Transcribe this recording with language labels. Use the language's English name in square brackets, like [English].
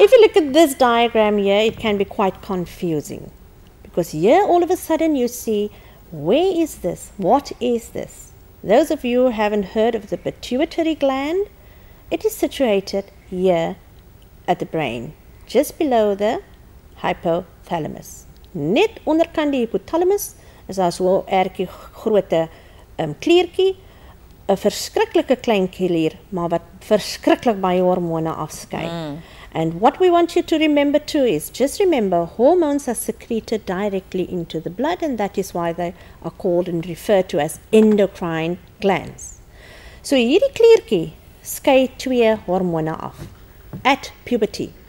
[English] If you look at this diagram here, it can be quite confusing. Because here, all of a sudden, you see, where is this? What is this? Those of you who haven't heard of the pituitary gland, it is situated here at the brain, just below the hypothalamus. [Afrikaans] Net onderkant die hypothalamus is daar so 'n ertjie groote kliertjie, 'n verskriklike klein klier, maar wat verskriklik baie hormone afskei. [English] And what we want you to remember too is, just remember, hormones are secreted directly into the blood, and that is why they are called and referred to as endocrine glands. [Afrikaans] So hierdie kliertjie skei twee hormone af [English] at puberty.